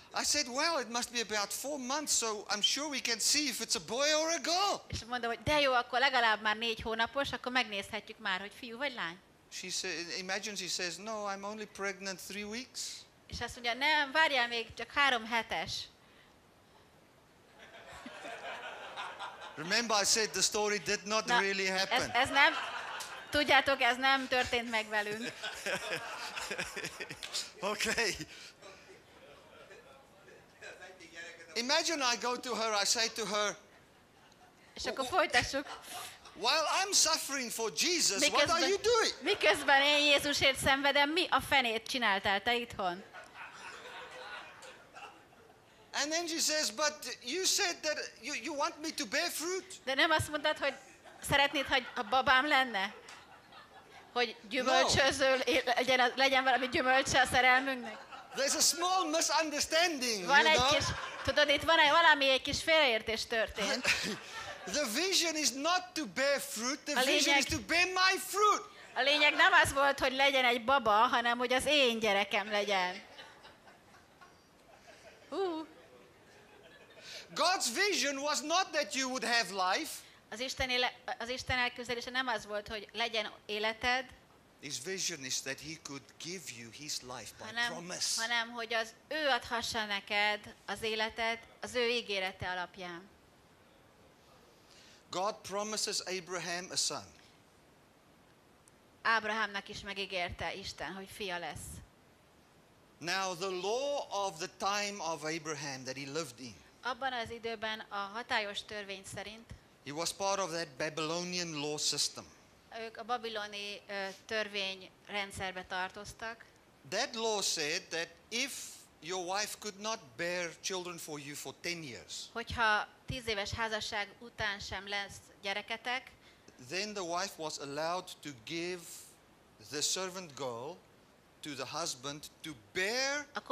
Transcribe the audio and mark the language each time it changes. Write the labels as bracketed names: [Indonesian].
[English] I said, well, it must be about 4 months, so I'm sure we can see if it's a boy or a girl. [Hungarian] És mondom, hogy de jó, akkor legalább már 4 hónapos, akkor megnézhetjük már, hogy fiú vagy lány. [English] She say, imagine, she says, no, I'm only pregnant 3 weeks. [Hungarian] És azt mondja, nem, várjál még, csak 3 hetes. [English] Remember, I said the story did not [Hungarian] Na, [English] really happen. [Hungarian] Ez nem, tudjátok, ez nem történt meg velünk. [English] Okay. Imagine I go to her, I say to her, [Hungarian] és akkor folytassuk. [English] While I'm suffering for Jesus, [Hungarian] miközben, [English] what are you doing? [Hungarian] Miközben én Jézusért szenvedem, mi a fenét csináltál te itthon? [English] And then she says, but you said that you want me to bear fruit? [Hungarian] De nem azt mondtad, hogy szeretnéd, hogy a babám lenne? Hogy gyümölcsöző, legyen valami gyümölcse a szerelmünknek? [English] There's a small misunderstanding, [Hungarian] van [English] you [Hungarian] egy [English] know? [Hungarian] Kis, tudod, itt van valami egy kis félreértés történt. [English] The vision is not to bear fruit, the vision is to bear my fruit. [Hungarian] A lényeg nem az volt, hogy legyen egy baba, hanem hogy az én gyerekem legyen. [English] God's vision was not that you would have life. [Hungarian] Az Isten elképzelése nem az volt, hogy legyen életed. [English] His vision is that he could give you his life by promise. [Hungarian] Hanem hogy az ő adhassa neked az életet az ő ígérete alapján. [English] God promises Abraham a son. [Hungarian] Ábrahámnak is megígérte Isten, hogy fia lesz. [English] Now the law of the time of Abraham that he lived in. [Hungarian] Abban az időben a hatályos törvény szerint. [English] He was part of that Babylonian law system. [Hungarian] Ők a babiloni törvény rendszerbe tartoztak. [English] That law said that if your wife could not bear children for you for 10 years. [Hungarian] Hogyha 10 éves házasság után sem lesz gyereketek. [English] Then the wife was allowed to give the servant girl to the husband to bear